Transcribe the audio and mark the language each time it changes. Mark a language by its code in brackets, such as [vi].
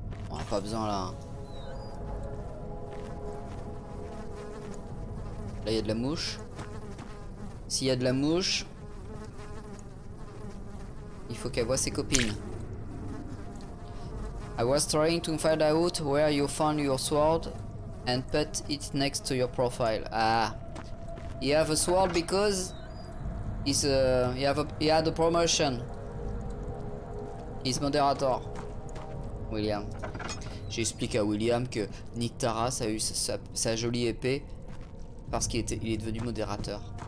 [fr] On a pas besoin là. Là, il y a de la mouche. S'il y a de la mouche, il faut qu'elle voie ses copines. [en] I was trying to find out where you found your sword and put it next to your profile. Ah. You have a sword because he's he had a promotion. He's moderator. William. [fr] J'explique à William que Nick Taras a eu sa jolie épée parce qu'il est devenu modérateur.